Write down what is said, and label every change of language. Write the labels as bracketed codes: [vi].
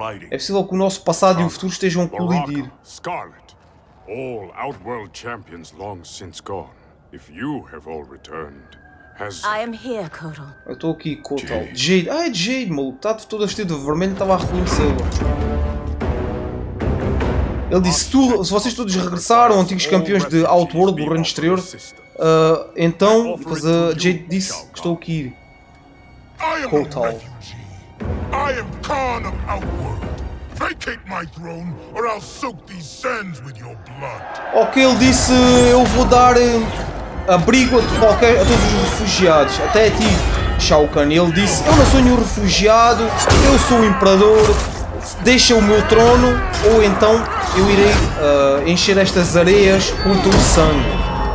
[pt] É possível que o nosso passado e o futuro estejam a colidir. [en] All Outworld champions long since gone. If you have all returned, has... I am here, Kotal. [pt] Eu estou aqui, Kotal. Jade. Ah, é Jade, maluco. Está toda vestida de vermelho, estava a reconhecê-lo. Ele disse, se vocês todos regressaram, antigos campeões de Outworld, do reino exterior, então, depois a Jade disse que estou aqui. [en] Kotal. I am Khan of Outworld. Vacate my throne, or I'll soak these sands with your blood. [pt] Ok, ele disse, eu vou dar abrigo a todos os refugiados, até a ti, Shao Kahn. Ele disse, eu não sou nenhum refugiado, eu sou o imperador, deixa o meu trono, ou então eu irei encher estas areias com o teu sangue.